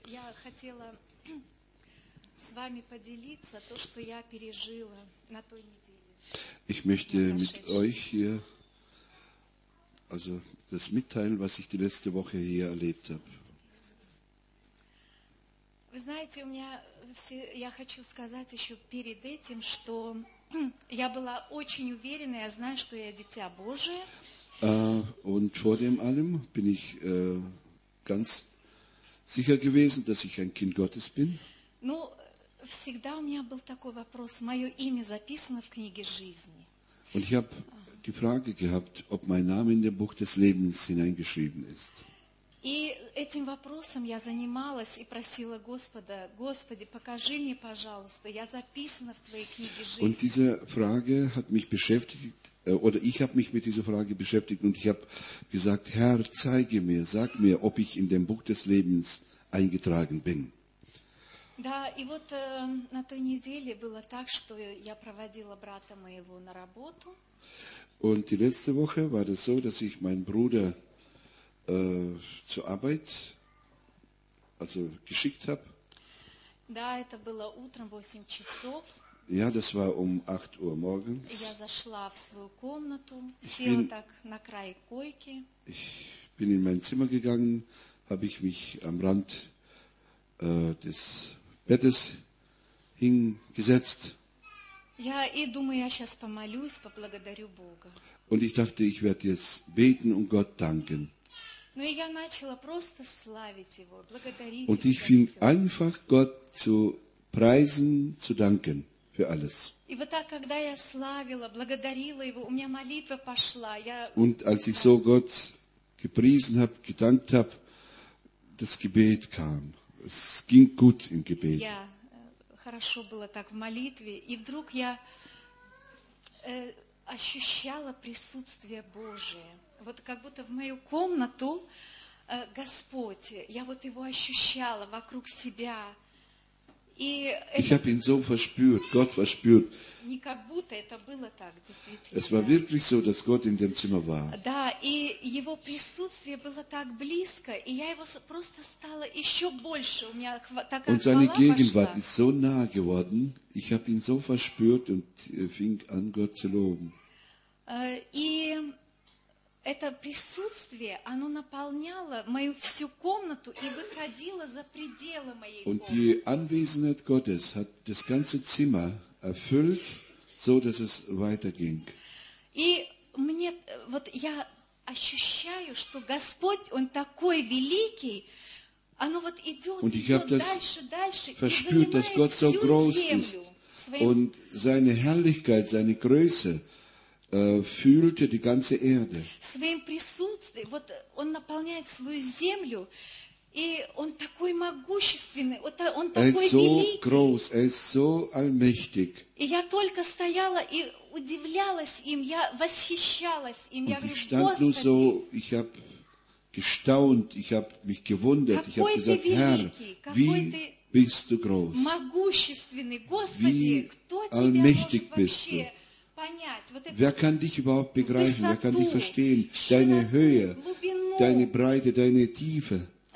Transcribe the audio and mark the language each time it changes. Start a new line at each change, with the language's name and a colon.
Russian: Я хотела с вами поделиться то, что я пережила на той неделе.
German: Ich möchte mit euch hier also das mitteilen, was ich die letzte Woche hier erlebt habe.
Russian: Вы знаете, у меня все, я хочу сказать еще перед этим, что я была очень уверена, я знаю, что я дитя Божие.
German: Und vor dem allem bin ich ganz sicher gewesen, dass ich ein Kind Gottes bin.
Russian: Ну, всегда у меня был такой вопрос, мое имя записано в книге жизни.
German: Und ich habe die Frage gehabt, ob mein Name in dem Buch des Lebens hineingeschrieben ist.
Russian: И этим вопросом я занималась и просила Господа, Господи, покажи мне, пожалуйста, я записана в Твоей книге жизни.
German: Und diese Frage hat mich beschäftigt, oder ich habe mich mit dieser Frage beschäftigt und ich habe gesagt, Herr, zeige mir, sag mir, ob ich in dem Buch des Lebens eingetragen bin.
Russian: Да, и вот на той неделе было так, что я проводила брата моего на работу.
German: Und die letzte Woche war das so, dass ich meinen Bruder zur Arbeit also geschickt habe.
Russian: Да, это было утром 8 часов.
German: Ja, das war 8 Uhr morgens.
Russian: Я зашла в свою комнату, села так на край койки.
German: Ich bin in mein Zimmer gegangen, habe ich mich am Rand des Bettes hingesetzt.
Russian: Ja, и думаю, я сейчас помолюсь, поблагодарю Бога.
German: Und ich dachte, ich werde jetzt beten und Gott danken.
Russian: Ну, я начала просто славить его, благодарить.
German: Und ich fing einfach Gott zu preisen, zu danken. Für alles.
Russian: И вот так, когда я славила, благодарила его, у меня молитва пошла. Я...
German: Und als ich so Gott gepriesen habe, gedankt habe, das Gebet kam. Es ging gut im Gebet.
Russian: Я хорошо было так в молитве, и вдруг я ощущала присутствие Божие. Вот как будто в мою комнату Господь, я вот его ощущала вокруг себя.
German: Ich habe ihn so verspürt, Gott verspürt.
Russian: Не как будто это было так, действительно.
German: Es war wirklich so, dass Gott in dem Zimmer war.
Russian: Да, и его присутствие было так близко, и я его просто стала еще больше. У меня такая хвала пошла.
German: Und seine Gegenwart ist so nah geworden. Ich habe ihn so verspürt und fing an, Gott zu loben.
Russian: И это присутствие, оно наполняло мою всю комнату и выходило за пределы моей комнаты.
German: Und die Anwesenheit Gottes hat das ganze Zimmer erfüllt, so dass es weiterging.
Russian: И мне, вот я ощущаю, что Господь, Он такой великий, оно вот идет дальше,
German: verspürt, dass Gott so groß ist und seine Herrlichkeit, seine Größe fühlte die ganze Erde.
Russian: Своим присутствием, вот он наполняет свою землю, и он такой могущественный, он такой великий.
German: Er ist so groß, er ist so allmächtig.
Russian: И я только стояла и удивлялась им, я восхищалась им, я говорю, Господи.
German: Nur so, ich habe gestaunt, ich habe mich gewundert, ich habe gesagt, Herr, wie bist du groß?
Russian: Могущественный, Господи, кто тебя
German: allmächtig
Russian: может
German: bist
Russian: вообще?
German: Du? Wer kann dich überhaupt begreifen? Wer kann dich verstehen? Deine Höhe, deine Breite, deine Tiefe.